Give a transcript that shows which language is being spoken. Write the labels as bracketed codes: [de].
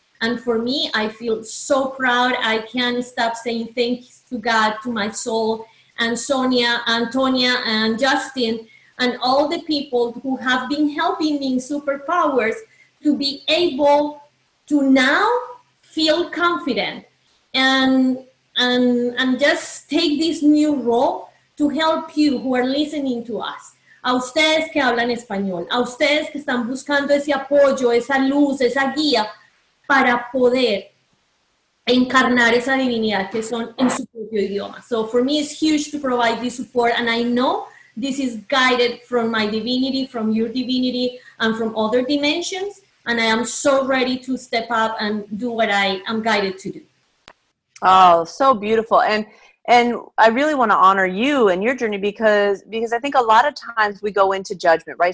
[en] And for me, I feel so proud. I can't stop saying thanks to God, to my soul, and Sonia, Antonia, and Justin, and all the people who have been helping me in superpowers to be able to now feel confident and just take this new role to help you who are listening to us. [es] A ustedes que hablan español, a ustedes que están buscando ese apoyo, esa luz, esa guía para poder encarnar esa divinidad que son en su propio idioma. [en] So for me, it's huge to provide this support, and I know this is guided from my divinity, from your divinity, and from other dimensions, and I am so ready to step up and do what I am guided to do. Oh, so beautiful. And I really want to honor you and your journey because I think a lot of times we go into judgment, right?